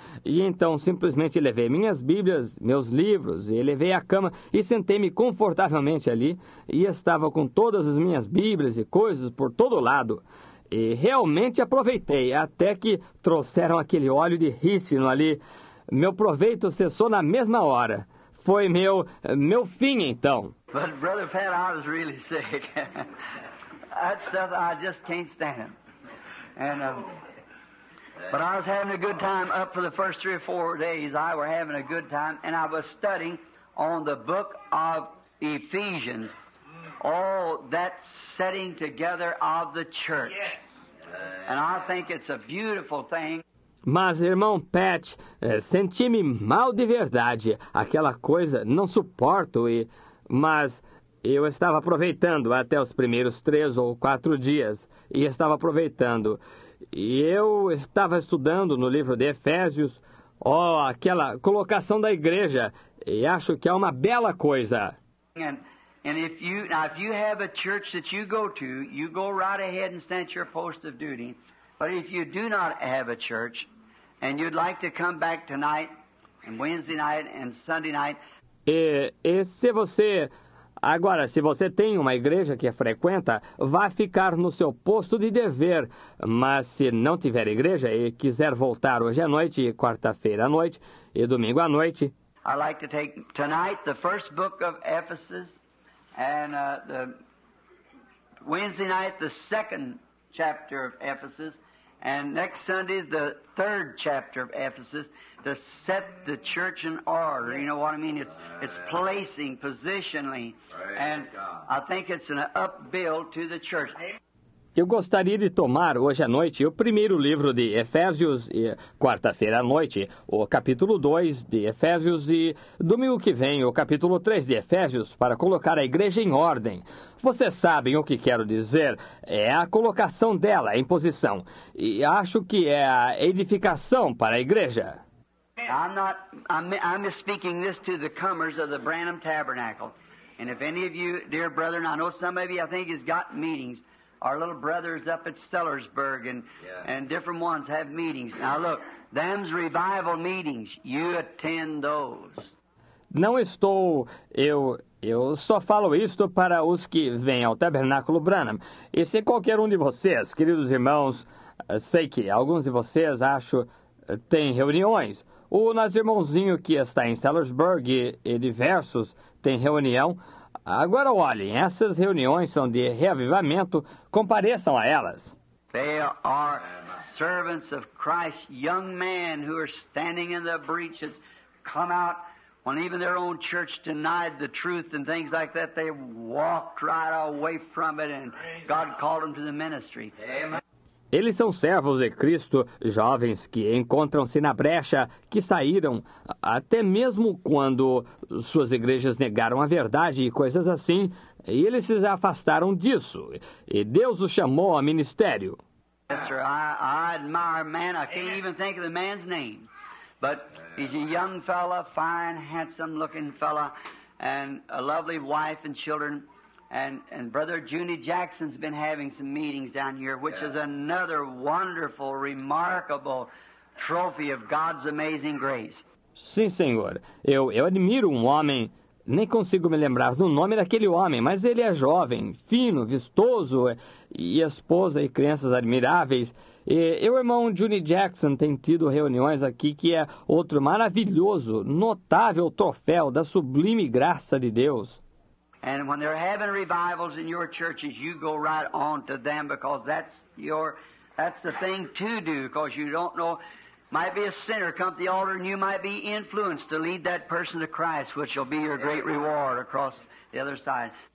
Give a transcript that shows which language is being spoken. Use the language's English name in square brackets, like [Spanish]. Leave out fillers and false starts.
[Portuguese] E então simplesmente levei minhas bíblias, meus livros, e levei a cama e sentei-me confortavelmente ali. E estava com todas as minhas bíblias e coisas por todo lado. E realmente aproveitei, até que trouxeram aquele óleo de rícino ali. Meu proveito cessou na mesma hora. Foi meu fim, então. [English] But, Brother Pat, I was really sick. That stuff, I just can't stand. And, but I was having a good time up for the first three or four days. I was having a good time, and I was studying on the book of Ephesians. Oh, that setting together of the church. And I think it's a beautiful thing. [Portuguese] Mas, irmão Pat, senti-me mal de verdade. Aquela coisa, não suporto. Mas eu estava aproveitando até os primeiros três ou quatro dias. E estava aproveitando. E eu estava estudando no livro de Efésios. Oh, aquela colocação da igreja. E acho que é uma bela coisa. [English] And if you have a church that you go to, you go right ahead and stand at your post of duty. But if you do not have a church and you'd like to come back tonight, Wednesday night and Sunday night. [Portuguese] E se você... Agora, se você tem uma igreja que frequenta, vá ficar no seu posto de dever. Mas se não tiver igreja e quiser voltar hoje à noite, quarta-feira à noite e domingo à noite... [English] I'd like to take tonight the first book of Ephesians and the Wednesday night the second chapter of Ephesians and next Sunday the third chapter of Ephesians to set the church in order. You know what I mean? It's placing, positionally. Praise and God. I think it's an upbuild to the church. [Portuguese] Eu gostaria de tomar hoje à noite o primeiro livro de Efésios, e quarta-feira à noite, o capítulo 2 de Efésios, e domingo que vem, o capítulo 3 de Efésios, para colocar a igreja em ordem. Vocês sabem o que quero dizer? É a colocação dela em posição. E acho que é a edificação para a igreja. [English] I'm speaking this to the comers of the Branham Tabernacle. And if any of you, dear brethren, I know some of you, I think, has got meetings. Our little brothers up at Sellersburg and yeah. And different ones have meetings. Now look, them's revival meetings. You attend those. [Portuguese] Não estou, eu só falo isto para os que vêm ao Tabernáculo Branham. E se qualquer um de vocês, queridos irmãos, sei que alguns de vocês, acho, têm reuniões. O nosso irmãozinho que está em Sellersburg e diversos têm reunião. Agora olhem, essas reuniões são de reavivamento, compareçam a elas. [English] They are servants of Christ, young men who are standing in the breaches, come out when even their own church denied the truth and things like that, they walked right away from it and God called them to the ministry. Amen. [Portuguese] Eles são servos de Cristo, jovens que encontram-se na brecha, que saíram, até mesmo quando suas igrejas negaram a verdade e coisas assim, e eles se afastaram disso. E Deus os chamou ao ministério. [English] Yes, sir, I admire man. I can't even think of the man's name. But he's a young fella, fine, handsome-looking fella, and a lovely wife and children. And Brother Junie Jackson's been having some meetings down here, which is another wonderful, remarkable trophy of God's amazing grace. [Portuguese] Sim, senhor. Eu admiro um homem, nem consigo me lembrar do nome daquele homem, mas ele é jovem, fino, vistoso, e esposa e crianças admiráveis. E eu, irmão Junie Jackson, tem tido reuniões aqui, que é outro maravilhoso, notável troféu da sublime graça de Deus. [English] And when they're having revivals in your churches, you go right on to them because that's the thing to do because you don't know, might be a sinner come to the altar and you might be influenced to lead that person to Christ, which will be your great reward across the other side.